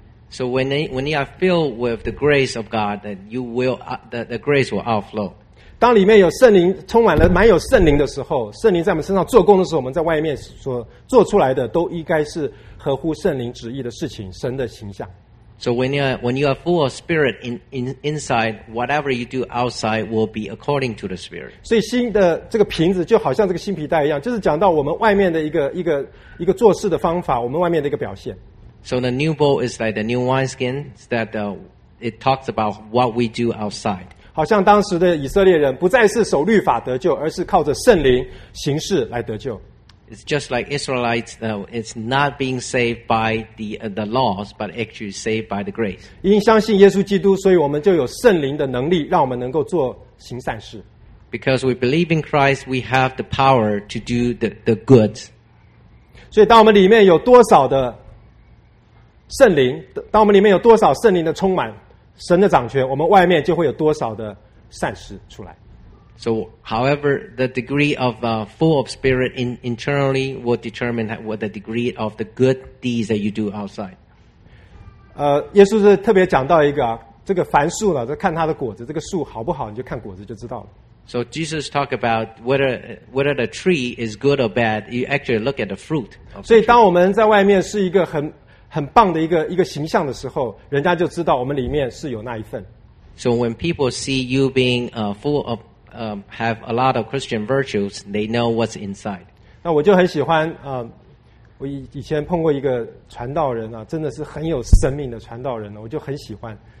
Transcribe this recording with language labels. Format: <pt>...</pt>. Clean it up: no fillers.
<en>So when you are filled with the grace of God, then you will the grace will outflow.</en> <zh>当里面有圣灵充满了满有圣灵的时候，圣灵在我们身上做工的时候，我们在外面所做出来的都应该是。合乎圣灵旨意的事情，神的形象。</zh> <en>So when you are full of spirit inside, whatever you do outside will be according to the spirit.</en> <zh>所以新的这个瓶子就好像这个新皮带一样，就是讲到我们外面的一个做事的方法，我们外面的一个表现。</zh> <en>So the new bowl is like the new wine skin that it talks about what we do outside.</en> <zh>好像当时的以色列人不再是守律法得救，而是靠着圣灵行事来得救。</zh> <en>It's just like Israelites, though. It's not being saved by the laws, but actually saved by the grace.</en> <zh>因相信耶稣基督，所以我们就有圣灵的能力，让我们能够做行善事。</zh> <en>Because we believe in Christ, we have the power to do the good.</en> <zh>所以当我们里面有多少的圣灵，当我们里面有多少圣灵的充满，神的掌权，我们外面就会有多少的善事出来。</zh> <en>So, however, the degree of full of spirit internally will determine what the degree of the good deeds that you do outside.</en> <zh>耶稣是特别讲到一个啊，这个凡树了，这看它的果子，这个树好不好，你就看果子就知道了。</zh> <en>So Jesus talked about whether the tree is good or bad. You actually look at the fruit.</en> <zh>所以当我们在外面是一个很棒的一个形象的时候，人家就知道我们里面是有那一份。</zh> <en>So when people see you being full of have a lot of Christian virtues, they know what's inside.</en> <zh>那我就很喜欢我以前碰过一个传道人啊，真的是很有生命的传道人，我就很喜欢。</zh>